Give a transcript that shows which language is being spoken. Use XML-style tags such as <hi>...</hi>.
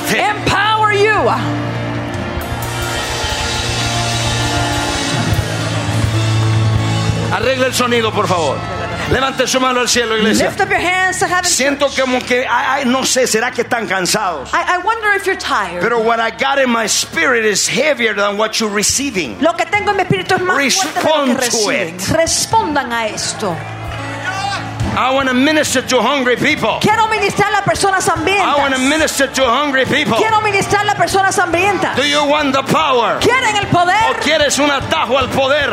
<en>Empower you.</en> <es>Arregle el sonido, por favor. Levante su mano al cielo, iglesia.</es> <en>Lift up your hands to heaven.</en> <es>Siento como que I no sé, será que están cansados.</es> <en>I wonder if you're tired. Pero what I got in my spirit is heavier than what you're receiving.</en> <es>Lo que tengo en mi espíritu es más fuerte de lo que reciben.</es> <en>Respond to it.</en> <es>Respondan a esto.</es> <en>I want to minister to hungry people.</en> <es>Quiero ministrar a personas hambrientas.</es> <en>I want to minister to hungry people.</en> <es>Quiero ministrar a personas hambrientas.</es> <en>Do you want the power?</en> <es>¿Quieren el poder? ¿O quieres un atajo al poder?</es>